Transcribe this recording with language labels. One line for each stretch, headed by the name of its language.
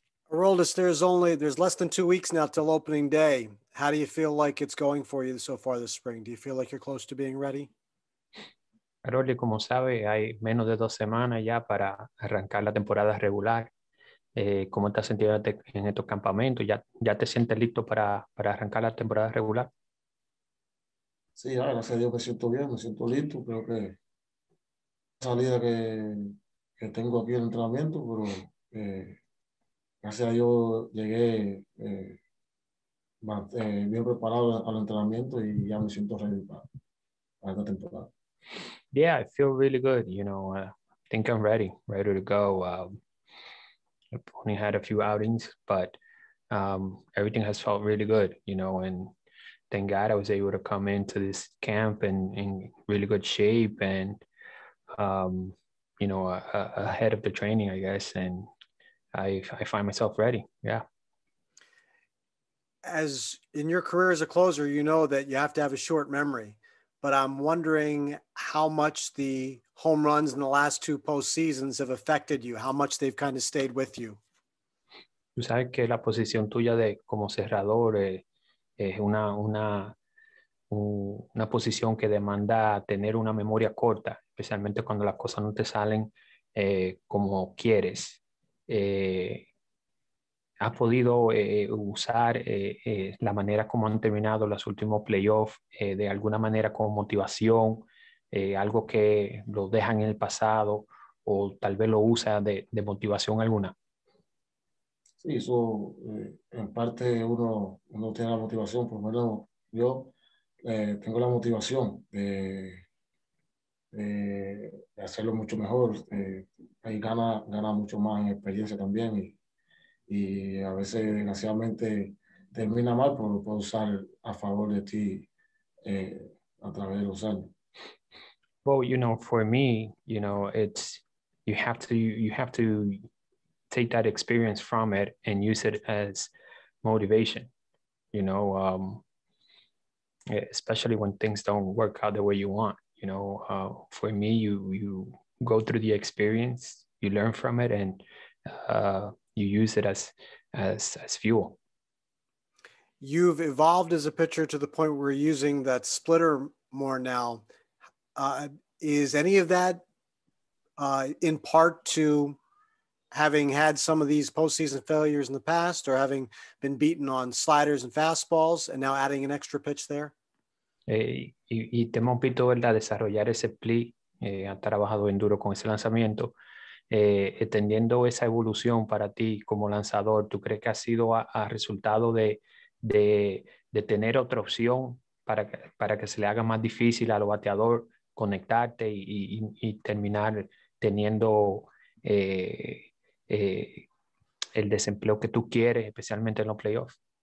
English: Aroldis, there's less than 2 weeks now till opening day. How do you feel like it's going for you so far this spring? Do you feel like you're close to being ready?
Spanish: Aroldis, como sabe, hay menos de dos semanas ya para arrancar la temporada regular. ¿Cómo te has sentido en estos campamentos? ¿Ya te sientes listo para arrancar la temporada regular? Sí, gracias a Dios me siento bien, me siento listo. Creo que la salida que tengo aquí en el entrenamiento, pero gracias a Dios llegué bien preparado al entrenamiento y ya me siento ready para esta temporada.
English: Yeah, I feel really good. You know, I think I'm ready to go. I've only had a few outings, but everything has felt really good, you know, and thank God I was able to come into this camp and in really good shape and, you know, ahead of the training, I guess, and I find myself ready. Yeah. As in your career as a closer, you know that you have to have a short memory, but I'm wondering how much the home runs in the last two postseasons have affected you, how much they've kind of stayed with you.
Spanish: Tú sabes que la posición tuya de como cerrador es una posición que demanda tener una memoria corta, especialmente cuando las cosas no te salen como quieres. ¿Has podido usar la manera como han terminado los últimos playoffs de alguna manera como motivación? Algo que lo dejan en el pasado o tal vez lo usa de motivación alguna. Sí, eso en parte uno tiene la motivación, por lo menos yo tengo la motivación de hacerlo mucho mejor. Ahí gana mucho más en experiencia también y a veces desgraciadamente termina mal, pero lo puedo usar a favor de ti a través de los años.
English: Well, you know, for me, you know, it's you have to take that experience from it and use it as motivation, you know, especially when things don't work out the way you want. You know, for me, you go through the experience, you learn from it, and you use it as fuel. You've evolved as a pitcher to the point where you're using that splitter more now. Is any of that in part to having had some of these postseason failures in the past or having been beaten on sliders and fastballs and now adding an extra pitch there?
Spanish: Y te hemos visto, ¿verdad?, desarrollar ese pli, ha trabajado en duro con ese lanzamiento. Entendiendo esa evolución para ti como lanzador, ¿tú crees que ha sido a resultado de tener otra opción para que se le haga más difícil al bateador conectarte y terminar teniendo el desempleo que tú quieres, especialmente en los playoffs?